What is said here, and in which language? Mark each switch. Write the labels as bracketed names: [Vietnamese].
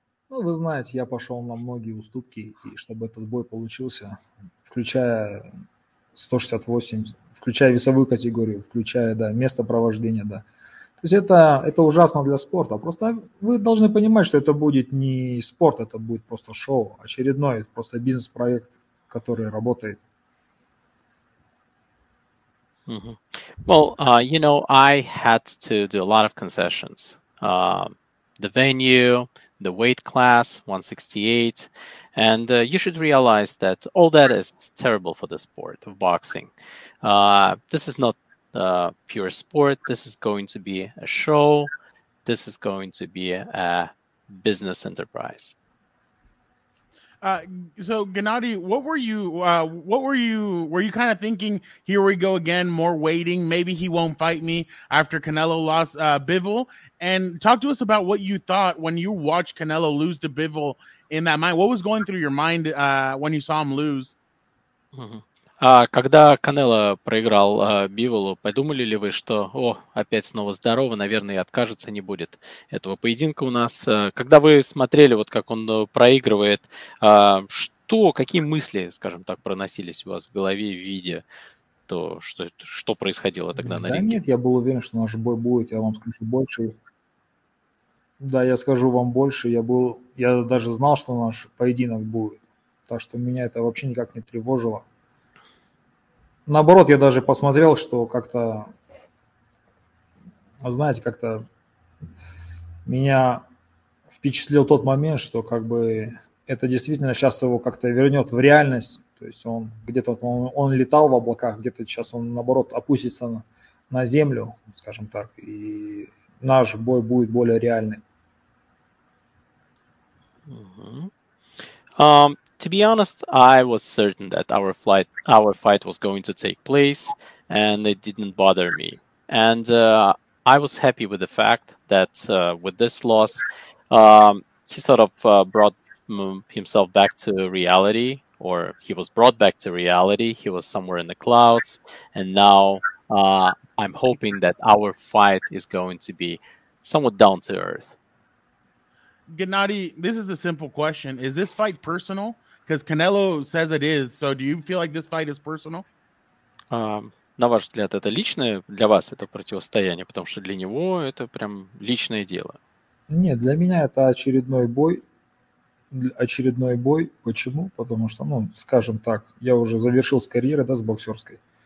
[Russian] Ну, вы знаете, я пошел на многие уступки, и чтобы этот бой получился, включая 168, включая весовую категорию, включая, да, место провождения, да. То есть это ужасно для спорта. Просто вы должны понимать, что это будет не спорт, это будет просто шоу, очередной просто бизнес-проект, который работает. Mm-hmm. [English] Well, you know, I had to do a lot of concessions. The venue, the weight class, 168. And you should realize that all that is terrible for the sport of boxing. This is not pure sport. This is going to be a show. This is going to be a business enterprise. So Gennady, were you kind of thinking, here we go again, more waiting, maybe he won't fight me after Canelo lost Bivol? And talk to us about what you thought when you watched Canelo lose to Bivol in that mind. What was going through your mind when you saw him lose? [Russian] Когда Канело проиграл Биволу, подумали ли вы, что, о, опять снова здорово, наверное, и откажется, не будет этого поединка у нас? Когда вы смотрели, вот как он проигрывает, что, какие мысли, скажем так, проносились у вас в голове в виде, то, что происходило тогда на ринге? Да нет, я был уверен, что наш бой будет, я вам скажу больше. Да, я скажу вам больше, я даже знал, что наш поединок будет, так что меня это вообще никак не тревожило. Наоборот, я даже посмотрел, что как-то, знаете, как-то меня впечатлил тот момент, что как бы это действительно сейчас его как-то вернет в реальность. То есть он где-то вот он летал в облаках, где-то сейчас он, наоборот, опустится на землю, скажем так, и наш бой будет более реальным. [English] To be honest, I was certain that our fight was going to take place, and it didn't bother me. And I was happy with the fact that with this loss, he sort of brought himself back to reality or he was brought back to reality. He was somewhere in the clouds. And now I'm hoping that our fight is going to be somewhat down to earth. Gennady, this is a simple question. Is this fight personal? Because Canelo says it is. So do you feel like this fight is personal? [Russian] На ваш взгляд, это личное? Для вас это противостояние? Потому что для него это прям личное дело. Нет, для меня это очередной бой. Очередной бой. Почему? Потому что, ну, скажем так, я уже завершил с карьеры, да, с боксерской.